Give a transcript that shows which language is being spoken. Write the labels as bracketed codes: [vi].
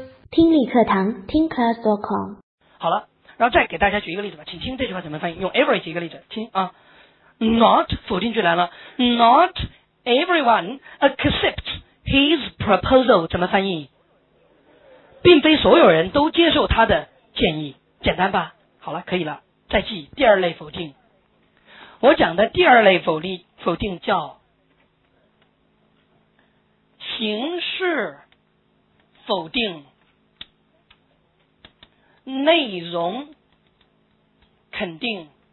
[zh] 听力课堂，听 class.com。好了，然后再给大家举一个例子吧。请听这句话怎么翻译，用 every 举一个例子听啊。 [en] Not [zh] 否定句来了， [en] Not everyone accepts his proposal， [zh] 怎么翻译？并非所有人都接受他的建议，简单吧。好了，可以了。再记第二类否定，我讲的第二类否定叫形式否定，内容肯定。